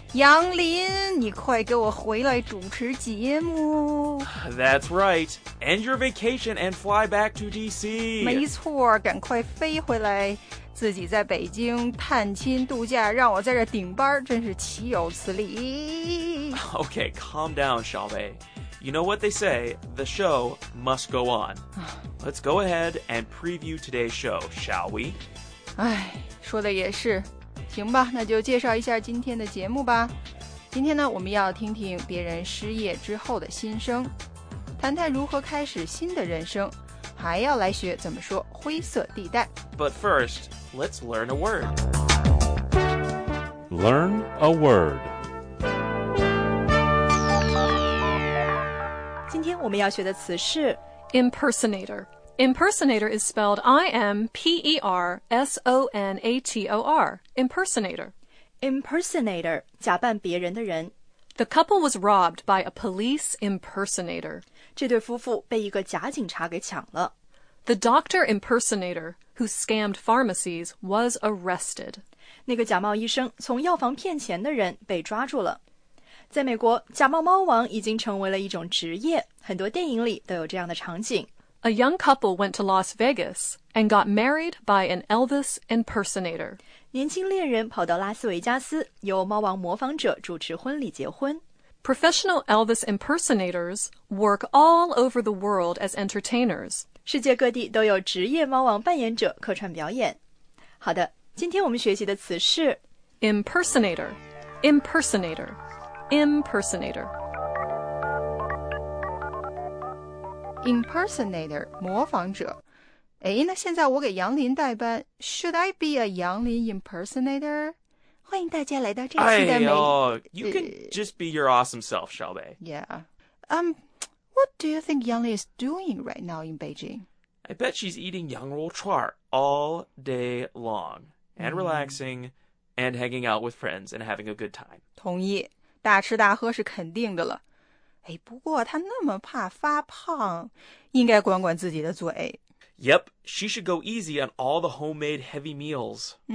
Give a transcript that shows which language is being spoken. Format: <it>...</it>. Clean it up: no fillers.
<zh>杨林，你快给我回来主持节目。</zh> <en>That's right. End your vacation and fly back to DC.</en> <zh>没错，赶快飞回来，自己在北京探亲度假，让我在这顶班，真是岂有此理。</zh> <en>Okay, calm down, 小北。 You know what they say, the show must go on. Let's go ahead and preview today's show, shall we?</en> <zh>哎，说的也是。行吧，那就介绍一下今天的节目吧。今天呢，我们要听听别人失业之后的心声，谈谈如何开始新的人生，还要来学怎么说灰色地带。</zh> <en>But first, let's learn a word. Learn a word.</en> <zh>今天我们要学的词是</zh> <en>impersonator. Impersonator is spelled I-M-P-E-R-S-O-N-A-T-O-R. Impersonator.</en> <zh>Impersonator, 假扮别人的人。</zh> <en>The couple was robbed by a police impersonator.</en> <zh>这对夫妇被一个假警察给抢了。</zh> <en>The doctor impersonator who scammed pharmacies was arrested.</en> <zh>那个假冒医生从药房骗钱的人被抓住了。在美国，假冒猫王已经成为了一种职业，很多电影里都有这样的场景。</zh> <en>A young couple went to Las Vegas and got married by an Elvis impersonator.</en> <zh>年轻恋人跑到拉斯维加斯，由猫王模仿者主持婚礼结婚。</zh> <en>Professional Elvis impersonators work all over the world as entertainers.</en> <zh>世界各地都有职业猫王扮演者客串表演。好的，今天我们学习的词是</zh> <en>impersonator, impersonator. Impersonator.</en> <zh>Impersonator, 模仿者。哎，那现在我给杨林代班。</zh> <en>Should I be a 杨林 impersonator?</en> <zh>欢迎大家来到这期的美。</zh> <en>You can just be your awesome self, shall we? Yeah. What do you think 杨林 is doing right now in Beijing? I bet she's eating 羊肉串 all day long and relaxing and hanging out with friends and having a good time.</en> <zh>同意。大吃大喝是肯定的了。哎，不过她那么怕发胖，应该管管自己的嘴。</zh> <en>Yep, she should go easy on all the homemade heavy meals.</en>